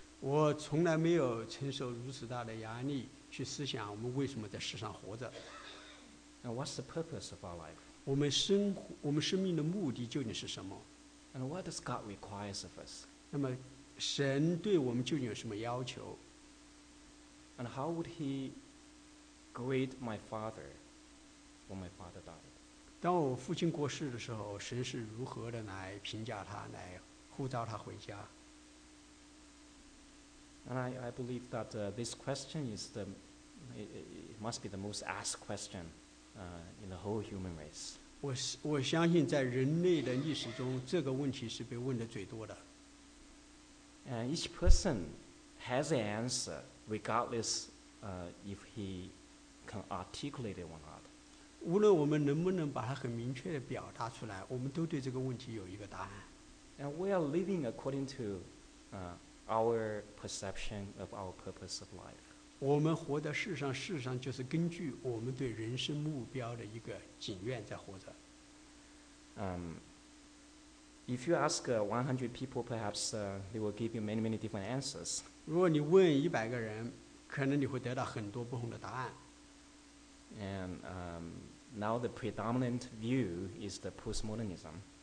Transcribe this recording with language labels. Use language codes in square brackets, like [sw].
[zh] 我从来没有承受如此大的压力去思想我们为什么在世上活着。 [en] And what's the purpose of our life? [zh] 我们生命的目的究竟是什么？ [en] And what does God require of us? [zh] 那么神对我们究竟有什么要求？ [en] And how would he greet my father when my father died? [zh] 当我父亲过世的时候，神是如何的来评价他，来呼召他回家？ [en] And I believe that this question is the it must be the most asked question in the whole human race. [zh] 我相信在人类的历史中，这个问题是被问的最多的。 [en] And each person has an answer, regardless if he can articulate it or not. [zh] 无论我们能不能把它很明确地表达出来，我们都对这个问题有一个答案。 [en] And we are living according to our perception of our purpose of life. [zh] 我们活在世上，事实上就是根据我们对人生目标的一个景愿在活着。 [en] If you ask 100 people, perhaps they will give you many, many different answers. [zh] 如果你问一百个人，可能你会得到很多不同的答案。 [en] And now the predominant view is the postmodernism.